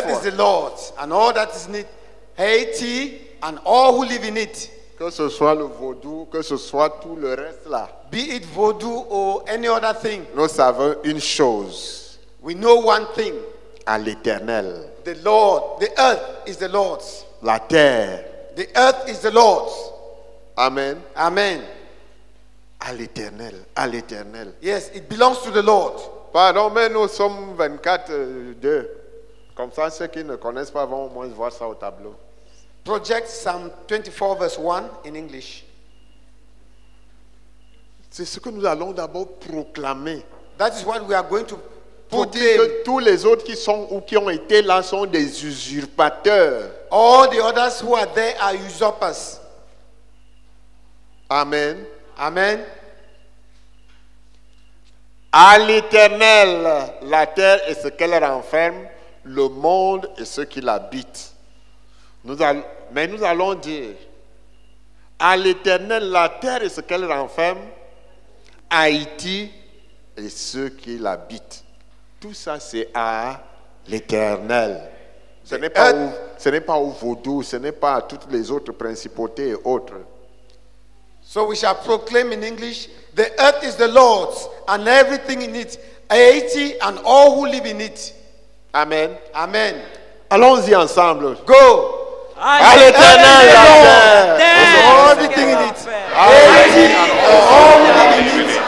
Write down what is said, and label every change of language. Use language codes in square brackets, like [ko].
[en] The earth is the Lord's and all that is in it. Haïti and all who live in it. [fr] Que ce soit le vaudou, que ce soit tout le reste là. [en] Be it vaudou or any other thing. [fr] Nous savons une chose. [en] We know one thing. [fr] À l'éternel. [en] The Lord, the earth is the Lord's. [fr] La terre. [en] The earth is the Lord's. Amen. Amen. [fr] À l'éternel, à l'éternel. [en] Yes, it belongs to the Lord. [fr] Pardon, mais nous sommes 24:2. Comme ça, ceux qui ne connaissent pas vont au moins voir ça au tableau. [en] Project Psalm 24, verse 1 in English. [fr] C'est ce que nous allons d'abord proclamer. [en] That is what we are going to [fr] pour dire que tous les autres qui sont ou qui ont été là sont des usurpateurs. [en] All the others who are there are usurpers. Amen. Amen. [fr] À l'Éternel, la terre et ce qu'elle renferme, le monde et ceux qui l'habitent. Mais nous allons dire, à l'Éternel, la terre et ce qu'elle renferme, Haïti et ceux qui l'habitent. Tout ça, c'est à l'Éternel. Ce n'est pas au vaudou, ce n'est pas à toutes les autres principautés et autres. [en] So we shall proclaim in English, the earth is the Lord's and everything in it, Haiti and all who live in it. Amen. Amen. [fr] Allons-y ensemble. [en] Go. [fr] À l'Éternel, la terre, [en] everything in it, Haiti and all who live in it.